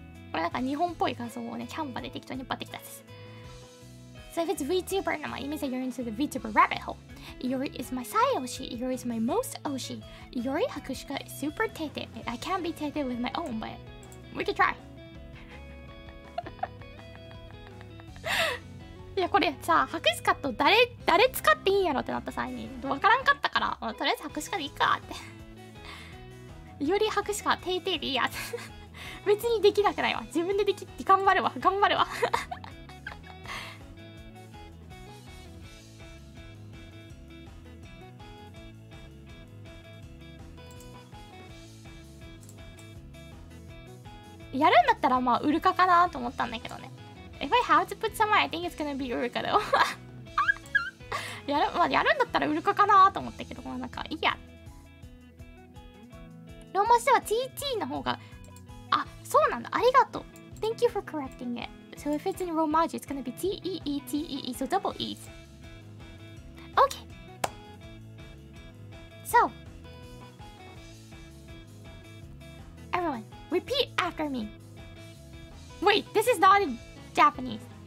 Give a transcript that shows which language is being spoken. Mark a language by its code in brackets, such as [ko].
[ja] これなんか日本っぽい画像をね、キャンバで適当に引っ張ってきたです。 [en] So if it's VTuber Numa, it means that you're into the VTuber rabbit hole. Iori is my sai oshi. Iori is my most oshi. Iori Hakushika is super tete. I can't be tete with my own, but we can try. [ja] いやこれさ、Hakushika と誰使っていいんやろってなった際に、わからんかったから、とりあえず Hakushika でいいかって。 Iori Hakushika tete でいいや。別にできなくないわ。自分でできって頑張るわ。頑張るわ。やるんだったらまあウルカかなと思ったんだけどね。 [en] If I have to put someone, I think it's gonna be ウルカだよ。 [ja] やるんだったらウルカかなと思ったけど、まあなんかいいや。ローマ字では TT の方が、あ、そうなんだ。ありがとう。 [en] Thank you for correcting it. So if it's in Roman字, it's gonna be T-E-E-T-E-E, so double E's. Okay. So. Repeat after me. Wait, this is not in Japanese.